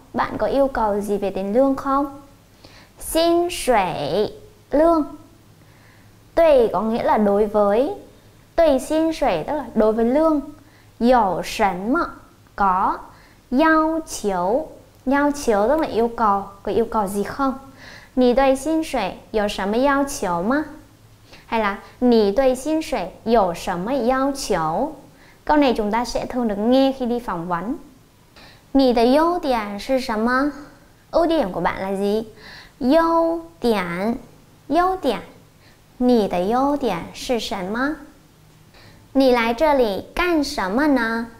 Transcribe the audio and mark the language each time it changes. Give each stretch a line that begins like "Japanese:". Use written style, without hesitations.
Vietnamese: Bạn có yêu cầu gì về tiền lương không?
Chinese: 薪水
Vietnamese: lương. 对 có nghĩa là đối với.
Chinese: 对薪水
Vietnamese: tức là đối với lương.
Chinese: 有什么?
Vietnamese: Có.
Chinese: 要求
Vietnamese: 要求 tức là yêu cầu. Có yêu cầu gì không?
Chinese: 你对薪水有什么要求吗?
Vietnamese: Hay là
Chinese: 你对薪水有什么要求?
Vietnamese: Câu này chúng ta sẽ thường được nghe khi đi phỏng vấn.
Chinese: 你的优点是什么?
Vietnamese: Ưu điểm của bạn là gì?
Chinese: 优点优点你的优点是什么?你来这里干什么呢?